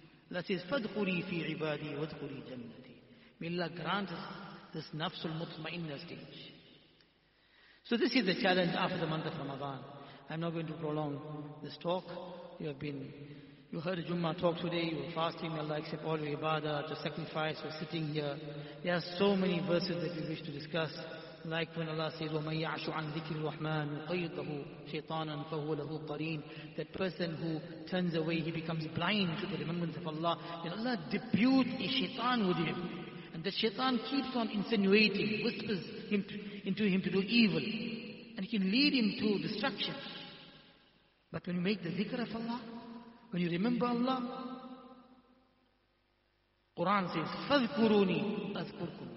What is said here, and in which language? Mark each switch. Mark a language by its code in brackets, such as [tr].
[en] Allah says, [ar] "Fadkhuli fi 'ibadi wadkhuli jannati." [en] May Allah grant us this nafsul mutma'inna stage. So this is the challenge after the month of Ramadan. I'm not going to prolong this talk. You heard a Jummah talk today, you were fasting, may Allah accept all your ibadah, your sacrifice, you're sitting here. There are so many verses that we wish to discuss. Like when Allah says, [ar] وَمَنْ يَعْشُ عَنْ ذِكْرِ الرَّحْمَنِ نُقَيِّضَهُ شَيْطَانًا فَهُوَ لَهُ قَرِينٌ. [en] That person who turns away, he becomes blind to the remembrance of Allah. Then Allah deputes a shaitan with him. And the shaitan keeps on insinuating, whispers into him to do evil. And it can lead him to destruction. But when you make the zikr of Allah, when you remember Allah, Quran says, [ar] "Fadhkuruni azkurkum."